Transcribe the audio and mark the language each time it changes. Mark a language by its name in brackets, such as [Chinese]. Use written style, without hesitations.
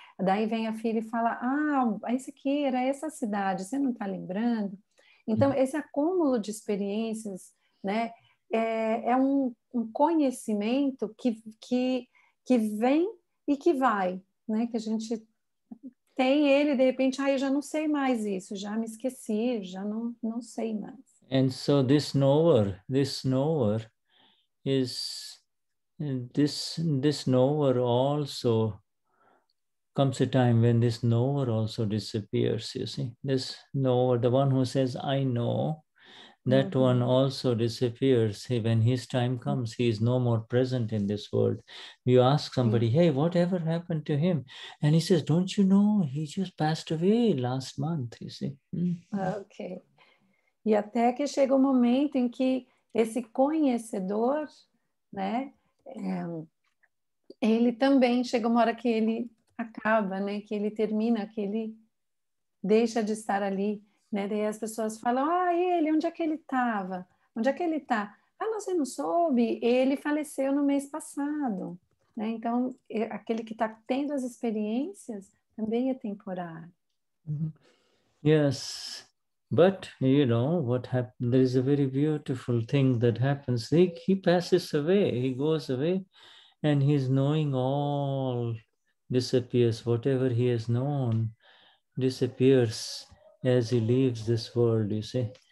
[Portuguese] Daí vem a filha e fala, esse aqui era essa cidade, você não está lembrando? Então, esse acúmulo de experiências, né, é um conhecimento que vem e que vai, né? Que a gente tem ele, de repente, ah, eu já não sei mais isso, já me esqueci, já não sei mais. [English] And so this knower also comes a time when this knower also disappears, you see. This knower, the one who says, I know, that mm-hmm. one also disappears. When his time comes, he is no more present in this world. You ask somebody, mm-hmm. hey, whatever happened to him? And he says, don't you know, he just passed away last month, you see. Mm-hmm. Okay. [Portuguese] E até que chega o momento em que esse conhecedor, né, ele também chega uma hora que ele acaba, né, que ele termina, que ele deixa de estar ali, né? Daí as pessoas falam, ah, ele, onde é que ele estava? Onde é que ele está? Ah, não, você não soube? Ele faleceu no mês passado, né? Então, aquele que está tendo as experiências também é temporário. [English] Yes. But, you know, what happened, there is a very beautiful thing that happens. He passes away, he goes away, and his knowing all disappears. Whatever he has known disappears as he leaves this world, you see.